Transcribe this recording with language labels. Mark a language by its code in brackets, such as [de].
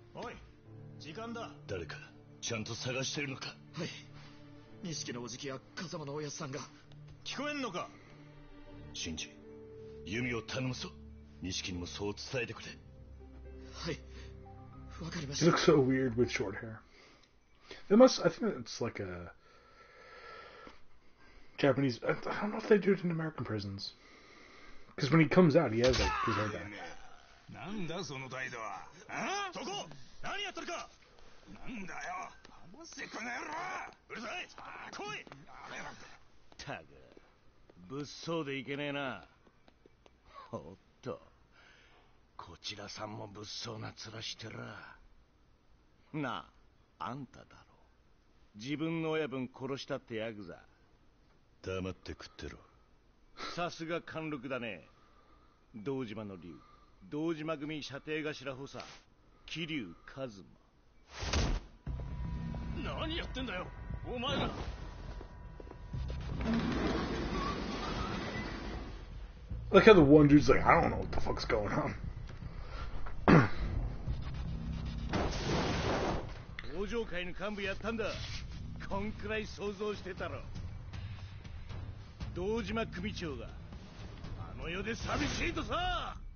[ja] おい、時間だ。誰かちゃんと探してるのか。はい、錦のおじきや風間のおやさんが。聞こえんのか。真治、弓を頼むぞ。錦にもそう伝えてくれ。はい、わかりました。 [en] He looks so weird with short hair. They must, I think it's like a Japanese, I don't know if they do it in American prisons. Because when he comes out, he has like his hair back. [ja] なんだその態度は。そこ何やってるか。なんだよ、話せこの野郎。うるさい、来い。あれなんだ。たく、物騒でいけねえな。おっと、こちらさんも物騒な面してる。なあ、あんただろ、自分の親分殺したってヤクザ。黙って食ってろ。さすが貫禄だね、道島の竜。道島組射程頭補佐桐生一馬。何やってんだよお前ら。 [en] Like how the one dude's like, I don't know what the fuck's going on. [ja] 道場会の幹部やったんだ。こんくらい想像してたろ。道島組長があの世で寂しいとさ。